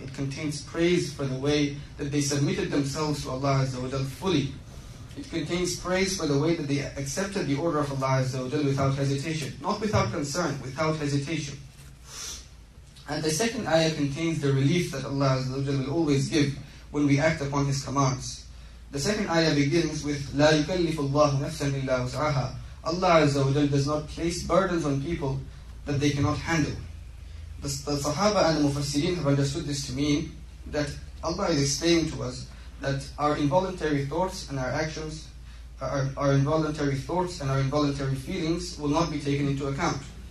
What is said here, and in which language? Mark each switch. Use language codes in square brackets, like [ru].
[en] It contains praise for the way that they submitted themselves to Allah Azza wa Jalla fully. It contains praise for the way that they accepted the order of Allah Azza wa Jalla without hesitation. Not without concern, without hesitation. And the second ayah contains the relief that Allah Azza wa Jalla will always give when we act upon His commands. The second ayah begins with, [ar] لَا يُكَلِّفُ اللَّهُ نَفْسًا إِلَّا وُسْعَهَا. [en] Allah Azza wa Jalla does not place burdens on people that they cannot handle. The Sahaba and the Mufassirin have understood this to mean that Allah is explaining to us that our involuntary thoughts and our actions, our involuntary thoughts and our involuntary feelings will not be taken into account.